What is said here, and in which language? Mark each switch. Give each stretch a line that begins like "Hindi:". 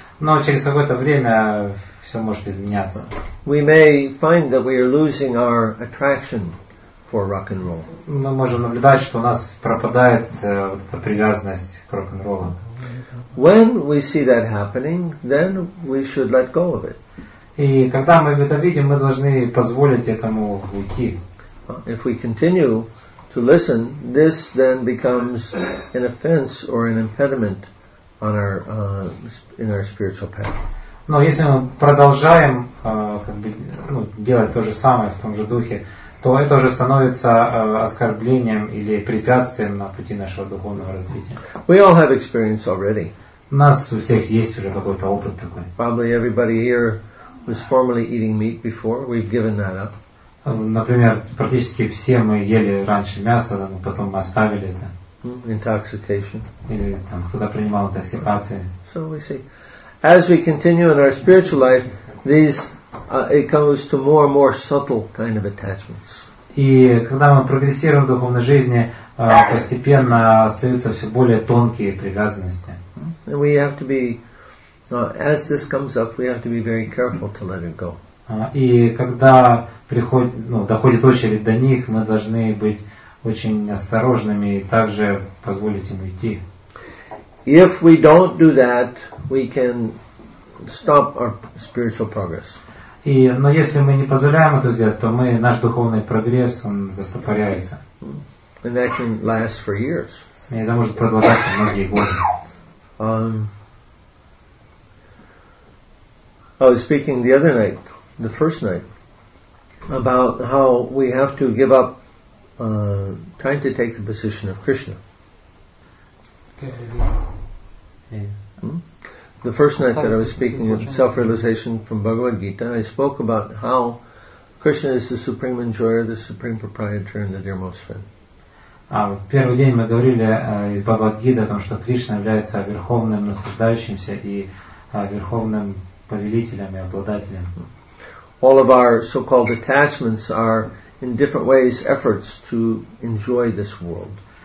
Russian: Но через какое-то время все может изменяться.
English: We may find that we are losing our attraction for rock and roll.
Russian: Мы можем наблюдать, что у нас пропадает эта привязанность к рок-н-роллу.
English: When we see that happening, then we should let go of it.
Russian: И когда мы это видим, мы должны позволить этому уйти.
English: If we continue to listen, this then becomes an offense or an impediment on our in our spiritual path.
Russian: Но если мы продолжаем делать то же самое в том же духе, то это уже становится оскорблением или препятствием на пути нашего духовного развития.
English: We all have experience already.
Russian: У нас у всех есть уже какой-то опыт такой.
English: Probably everybody here was formerly eating meat before. We've given that up.
Russian: Например, практически все мы ели раньше мясо, но потом оставили это.
English: Intoxication.
Russian: Или там кто-то принимал интоксикации.
English: So we see. As we continue in our spiritual life, these it goes to more and more subtle kind of attachments.
Russian: И когда мы прогрессируем в духовной жизни, постепенно остаются все более тонкие привязанности.
English: And we have to be, as this comes up, we have to be very careful to let it go.
Russian: И когда приходит, ну, доходит очередь до них, мы должны быть очень осторожными и также позволить им уйти.
English: If we don't do that, we can stop our spiritual progress.
Russian: И, но если мы не позволяем это сделать, то мы, наш духовный прогресс, он застопоряется.
English: And that can last for years.
Russian: И это может продолжаться многие годы.
English: I was speaking the other night, the first night, about how we have to give up trying to take the position of Krishna. The first night that I was speaking of self-realization from Bhagavad Gita, I spoke about how Krishna is the supreme enjoyer, the supreme proprietor, and the dearmost friend.
Russian: В первый день мы говорили из Бхагавад Гиты о том, что Кришна является верховным наслаждающимся и верховным повелителем и обладателем.
English: All of our so-called attachments are in different ways efforts to enjoy this world.